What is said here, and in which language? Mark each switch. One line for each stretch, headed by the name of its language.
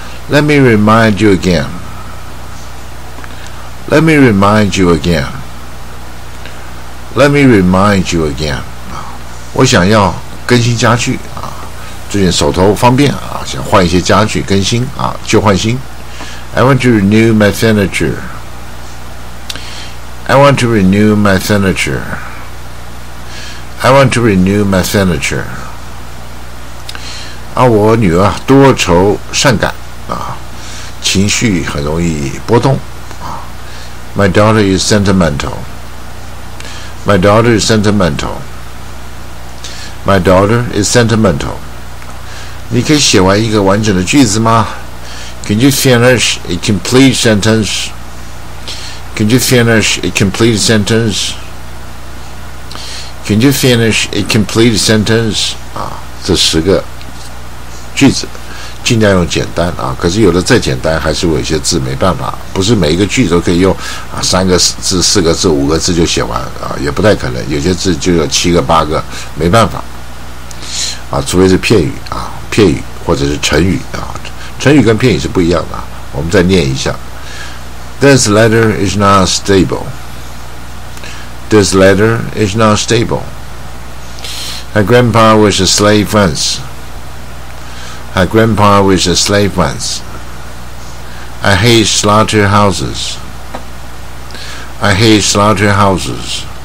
English: Let me remind you again。 Let me remind you again. Let me remind you again.
Chinese: 我想要更新家具啊，最近手头方便啊，想换一些家具更新啊，旧换新。
English: I want to renew my furniture. I want to renew my furniture. I want to renew my furniture.
Chinese: 啊，我女儿多愁善感啊，情绪很容易波动。
English: My daughter is sentimental. My daughter is sentimental. My daughter is sentimental.
Chinese: 你可以写完一个完整的句子吗？
English: Can you finish a complete sentence? Can you finish a complete sentence? Can you finish a complete sentence?
Chinese: 啊，这十个句子尽量用简单啊，可是有的再简单还是有一些字没办法，不是每一个句都可以用啊三个字四个字五个字就写完啊，也不太可能，有些字就有七个八个没办法啊，除非是片语啊，片语或者是成语啊，成语跟片语是不一样的，我们再念一下。
English: This letter is not stable. This letter is not stable. My grandpa was a slave once. My grandpa was a slave once. I hate slaughterhouses. I hate slaughterhouses.